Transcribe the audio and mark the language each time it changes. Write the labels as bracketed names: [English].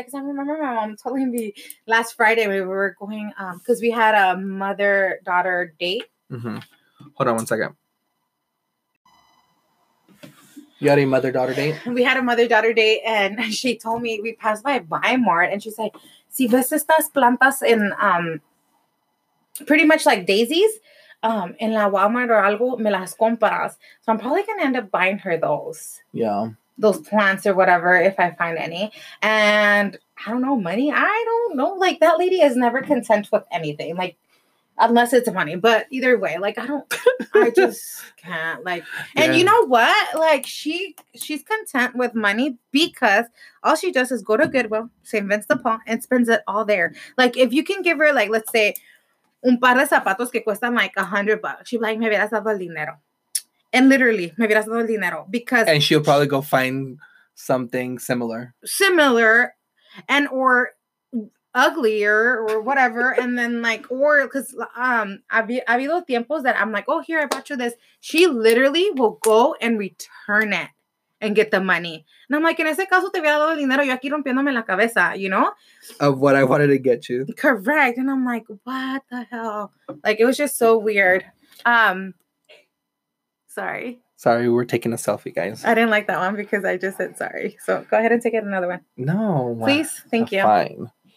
[English] Because I remember my mom telling me last Friday we were going, because we had a mother-daughter date. Mm-hmm. Hold on 1 second. You had a mother-daughter date? We had a mother-daughter date, and she told me, we passed by Walmart, and she's like, [Spanish] si ves estas plantas en [English] pretty much like daisies. [Spanish] In La Walmart or algo, me las compras. [English] So I'm probably going to end up buying her those. Yeah. Those plants or whatever, if I find any. And I don't know, money? I don't know. Like, that lady is never content with anything. Like, unless it's money. But either way, like, I don't, I just can't. Like, and yeah. You know what? Like, she's content with money because all she does is go to Goodwill, St. Vince de Paul, and spends it all there. Like, if you can give her, like, let's say, [Spanish] un par de zapatos que cuestan [English] like $100. She'd be like, [Spanish] me hubieras dado el dinero. [English] And literally, [Spanish] me hubieras dado el dinero. Because [English] and she'll probably go find something similar. Similar and or uglier or whatever. And then like, or because [Spanish] habido tiempos [English] that I'm like, oh, here, I bought you this. She literally will go and return it and get the money. And I'm like, [Spanish] en ese caso, te hubiera dado el dinero. Yo aquí rompiéndome la cabeza, [English] you know? Of what I wanted to get you. Correct. And I'm like, what the hell? Like, it was just so weird. Sorry. Sorry, we're taking a selfie, guys. I didn't like that one because I just said sorry. So go ahead and take it another one. No. Please? Thank you. Fine.